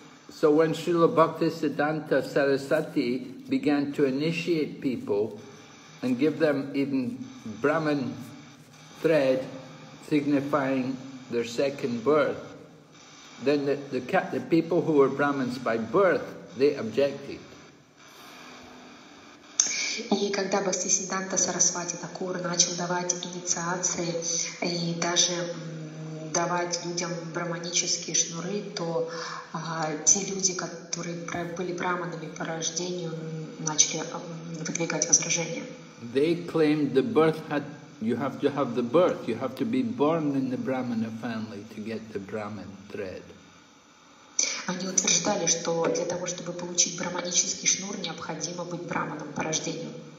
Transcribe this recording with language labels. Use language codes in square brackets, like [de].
[en] So when Srila Bhaktisiddhanta Sarasvati began to initiate people and give them even Brahman thread signifying their second birth, then the people who were Brahmins by birth, they objected. [ru] И когда Бхактисиддханта Сарасвати Такур начал давать инициации и даже давать людям брахманические шнуры, то те люди, которые были брахманами по рождению, начали выдвигать возражения. [en] They claimed the birth had, you have to have the birth, you have to be born in the brahmana family to get the brahman thread. [ru] Они утверждали, что для того, чтобы получить брахманический шнур, необходимо быть брахманом по рождению.